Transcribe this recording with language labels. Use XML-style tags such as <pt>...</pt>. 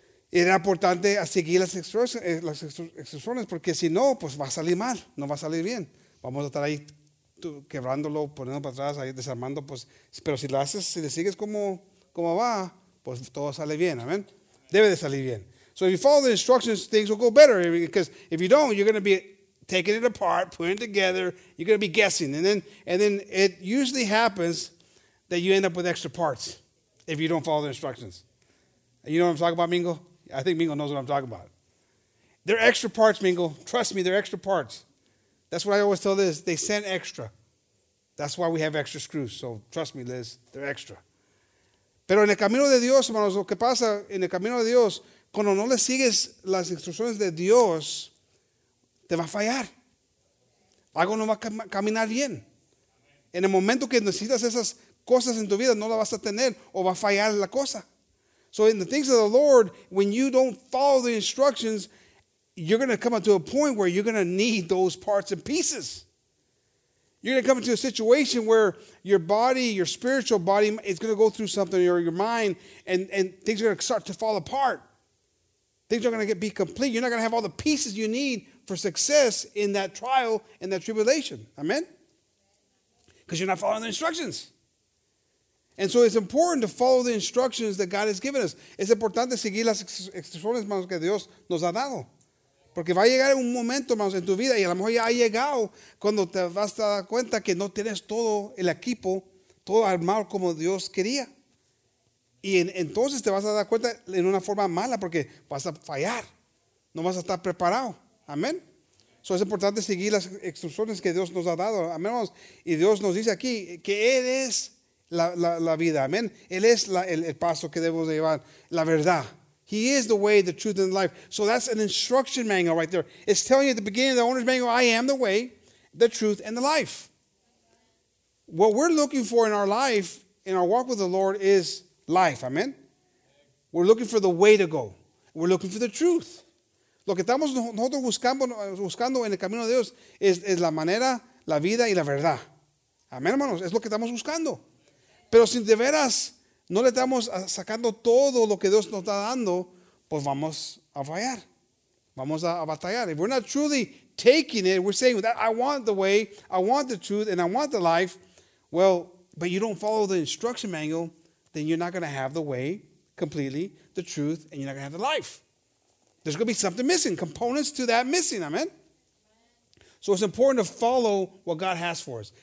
<es>Era importante a seguir las instrucciones, porque si no, pues va a salir mal, no va a salir bien. Vamos a estar ahí quebrándolo, poniendo para atrás, ahí desarmando, pues. Pero si lo haces, si le sigues como va, pues todo sale bien, amén. Debe de salir bien.</es> <en>So if you follow the instructions, things will go better, because if you don't, you're going to be taking it apart, putting it together, you're going to be guessing. And then it usually happens that you end up with extra parts if you don't follow the instructions. You know what I'm talking about, Mingo? I think Mingo knows what I'm talking about. They're extra parts, Mingo. Trust me, they're extra parts. That's what I always tell Liz. They send extra. That's why we have extra screws. So trust me, Liz, they're extra.</en> <es>Pero en el camino de Dios, hermanos, lo que pasa en el camino de Dios, cuando no le sigues las instrucciones de Dios, te va a fallar. Algo no va a caminar bien. En el momento que necesitas esas cosas en tu vida, no las vas a tener o va a fallar la cosa.</es> <en>So in the things of the Lord, when you don't follow the instructions, you're going to come up to a point where you're going to need those parts and pieces. You're going to come into a situation where your body, your spiritual body, is going to go through something, or your mind, and things are going to start to fall apart. Things are going to be complete. You're not going to have all the pieces you need for success in that trial, in that tribulation. Amen? Because you're not following the instructions. And so it's important to follow the instructions that God has given us.</en> <es>Es importante seguir las instrucciones, hermanos, que Dios nos ha dado. Porque va a llegar un momento, hermanos, en tu vida, y a lo mejor ya ha llegado, cuando te vas a dar cuenta que no tienes todo el equipo, todo armado como Dios quería. Y entonces te vas a dar cuenta en una forma mala, porque vas a fallar. No vas a estar preparado. Amén. So es importante seguir las instrucciones que Dios nos ha dado. Amén, hermanos. Y Dios nos dice aquí que Él es la vida. Amén. Él es el paso que debemos de llevar. La verdad.</es> <en>He is the way, the truth, and the life. So that's an instruction manual right there. It's telling you at the beginning of the owner's manual, I am the way, the truth, and the life. What we're looking for in our life, in our walk with the Lord, is life. Amén. We're looking for the way to go. We're looking for the truth.</en> <es>Lo que estamos nosotros buscando en el camino de Dios es la manera, la vida y la verdad. Amén, hermanos. Es lo que estamos buscando. Pero si de veras no le estamos sacando todo lo que Dios nos está dando, pues vamos a fallar. Vamos a batallar.</es> <en>If we're not truly taking it, we're saying, I want the way, I want the truth, and I want the life. Well, but you don't follow the instruction manual, then you're not going to have the way completely, the truth, and you're not going to have the life. There's going to be something missing, components to that missing, amen? So it's important to follow what God has for us.</en>